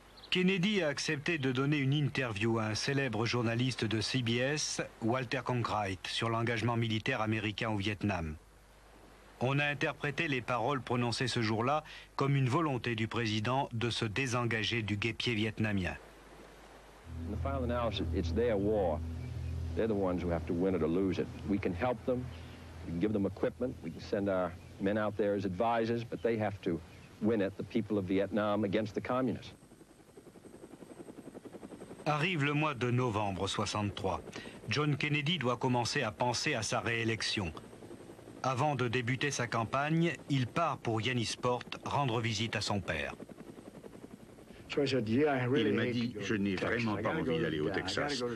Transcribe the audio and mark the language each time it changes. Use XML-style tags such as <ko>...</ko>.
<fr>Kennedy a accepté de donner une interview à un célèbre journaliste de CBS, Walter Cronkite, sur l'engagement militaire américain au Vietnam. On a interprété les paroles prononcées ce jour-là comme une volonté du président de se désengager du guépier vietnamien.</fr> <en>In the final analysis, it's their war. They're the ones who have to win it or lose it. We can help them, we can give them equipment, we can send our men out there as advisors, but they have to win it, the people of Vietnam against the communists.</en> <fr>Arrive le mois de novembre 63. John Kennedy doit commencer à penser à sa réélection. Avant de débuter sa campagne, il part pour Janisport rendre visite à son père. Il m'a dit, je n'ai vraiment pas envie d'aller au Texas.</fr>